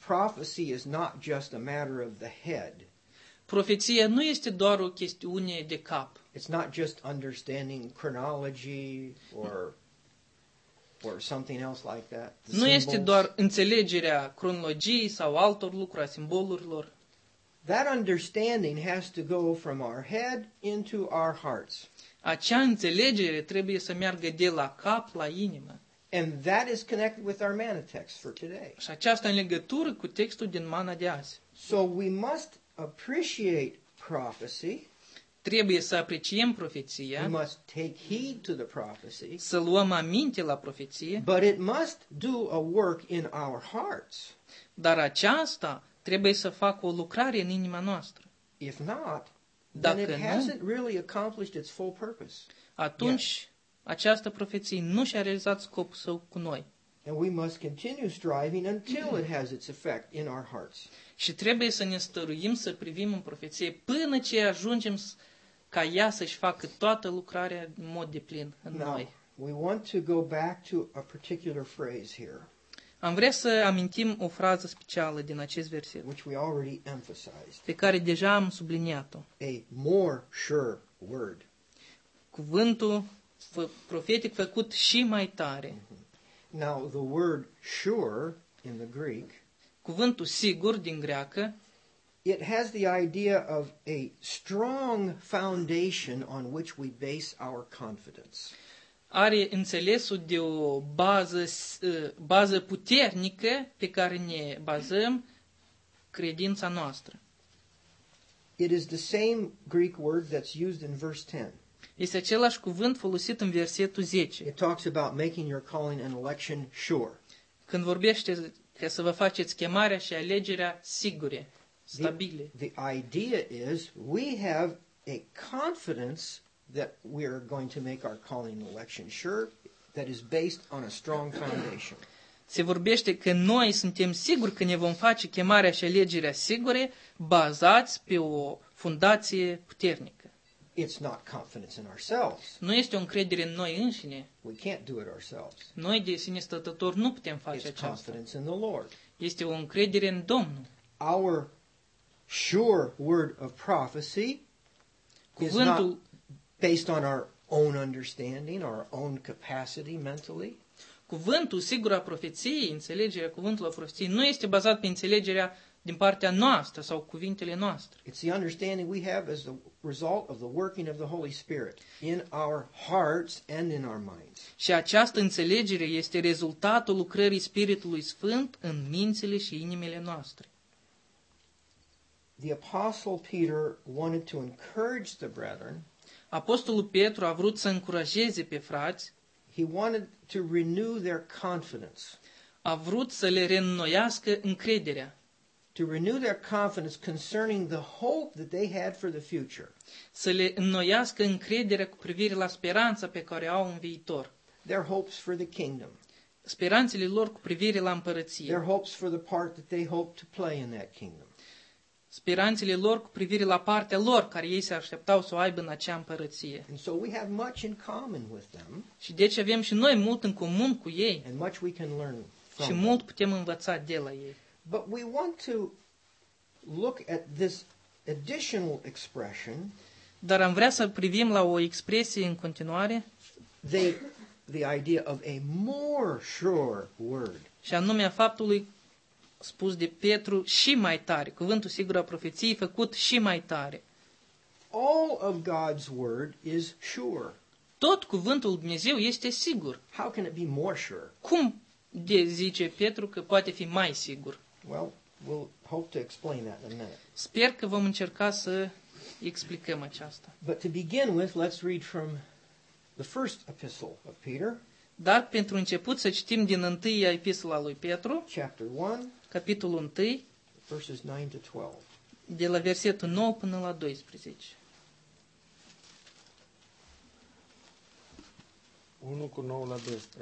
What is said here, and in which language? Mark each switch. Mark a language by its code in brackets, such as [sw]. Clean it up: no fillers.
[en] Prophecy is not just a matter of the head. [ro] Profeția nu este doar o chestiune de cap. [en] It's not just understanding chronology or something else like that. [ro] Nu este doar înțelegerea cronologiei sau altor lucruri, a simbolurilor. [en] That understanding has to go from our head into our hearts. [ro] Acea înțelegere trebuie să meargă de la cap la inimă. [en] And that is connected with our mana text for today. [ro] Și aceasta în legătură cu textul din mana de azi. [en] So we must appreciate prophecy. [ro] Trebuie să apreciem profeția. [en] We must take heed to the prophecy. [ro] Să luăm aminte la profeție. [en] But it must do a work in our hearts. [ro] Dar aceasta trebuie să facă o lucrare în inima noastră. [en] If not, [ro] dacă [en] then it [ro] nu, [en] hasn't really accomplished its full purpose. [ro] Atunci această profeție nu și-a realizat scopul său cu noi. [en] And we must continue striving until it has its effect in our hearts. [ro] Și trebuie să ne stăruim să privim în profeție până ce ajungem ca ea să-și facă toată lucrarea în mod deplin în noi. [en] We want to go back to a particular phrase here. [ro] Am vrea să amintim o frază specială din acest verset, [en] which we already emphasized. [ro] Pe care deja am subliniat-o. [en] A more sure word. [ro] Cuvântul profetic făcut și mai tare. [en] Now the word sure in the Greek, [ro] cuvântul sigur din greacă, [en] it has the idea of a strong foundation on which we base our confidence. [ro] Are înțelesul de o bază puternică pe care ne bazăm credința noastră. [en] It is the same Greek word that's used in verse 10. [ro] Este același cuvânt folosit în versetul 10. [en] It talks about making your calling and election sure. [ro] Când vorbește că să vă faceți chemarea și alegerea sigure, stabile. [en] The idea is we have a confidence that we are going to make our calling and election sure that is based on a strong foundation. [ro] Se vorbește că noi suntem siguri că ne vom face chemarea și alegerea sigure bazați pe o fundație puternică. [en] It's not confidence in ourselves. [ro] Nu este o încredere în noi înșine. [en] We can't do it ourselves. [ro] Noi de sine stătător nu putem face aceasta. [en] It's confidence in the Lord. [ro] Este o încredere în Domnul. [en] Our sure word of prophecy [ro] cuvântul [en] is not based on our own understanding, our own capacity mentally. [ro] Cuvântul sigur a profeției, înțelegerea cuvântului a profeției, nu este bazat pe înțelegerea din partea noastră sau cuvintele noastre. [en] It's the understanding we have as the result of the working of the Holy Spirit in our hearts and in our minds. [ro] Și această înțelegere este rezultatul lucrării Spiritului Sfânt în mințile și inimile noastre. [en] The Apostle Peter wanted to encourage the brethren. [ro] Apostolul Petru a vrut să încurajeze pe frați. [en] He wanted to renew their confidence. [ro] A vrut să le reînnoiască încrederea. [en] To renew their confidence concerning the hope that they had for the future. [ro] Să le înnoiască încrederea cu privire la speranța pe care au în viitor. [en] Their hopes for the kingdom. [ro] Speranțele lor cu privire la împărăție. [en] Their hopes for the part that they hope to play in that kingdom. [ro] Speranțele lor cu privire la partea lor care ei se așteptau să o aibă în acea împărăție. [en] And so we have much in common with them. [ro] Și deci avem și noi mult în comun cu ei. [en] And much we can learn from [ro] și mult putem învăța de la ei. [en] But we want to look at this additional expression. [ro] Dar am vrea să privim la o expresie în continuare. [en] The idea of a more sure word. [ro] Și anume a faptului spus de Petru și mai tare, cuvântul sigur a profeției făcut și mai tare. [en] All of God's word is sure. [ro] Tot cuvântul lui Dumnezeu este sigur. [en] How can it be more sure? [ro] Cum de zice Petru că poate fi mai sigur? [en] Well, we'll hope to explain that in a minute. [ro] Sper că vom încerca să explicăm aceasta. [en] But to begin with, let's read from the first epistle of Peter. [ro] Dar pentru început să citim din întâia epistola lui Petru. [en] Chapter 1, [ro] capitolul 1, [en] verses 9 to 12. [ro] De la versetul 9 până la 12. 1 cu 9 la 12.